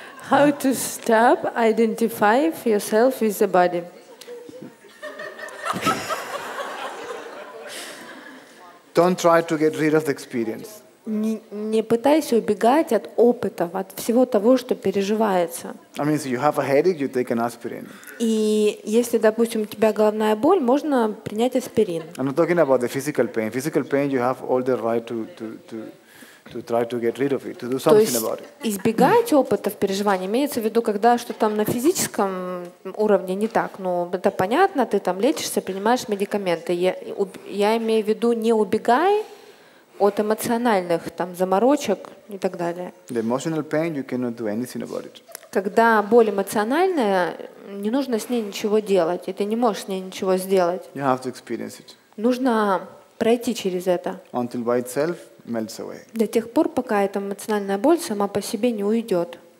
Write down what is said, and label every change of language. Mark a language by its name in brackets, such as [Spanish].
[English] How to stop identifying yourself with the body? Don't try to get rid of the experience. [Russian] Не пытайся убегать от опыта, от всего того, что переживается. [English] I mean, so you have a headache, you take an aspirin. [Russian] И если, допустим, у тебя головная боль, можно принять аспирин. [English] I'm not talking about the physical pain. Physical pain, you have all the right to try to get rid of it, to do something about it. [Russian] То есть избегать опытов переживания имеется в виду, когда что-то там на физическом уровне не так. Ну, это понятно, ты там лечишься, принимаешь медикаменты. Я имею в виду, не убегай от эмоциональных там заморочек и так далее. [English] The emotional pain, you cannot do anything about it. [Russian] Когда боль эмоциональная, не нужно с ней ничего делать, и ты не можешь с ней ничего сделать. [English] You have to experience it. [Russian] Нужно пройти через это. [English] Until by itself melts away. [Russian] До тех пор, пока эта эмоциональная боль сама по себе не уйдет.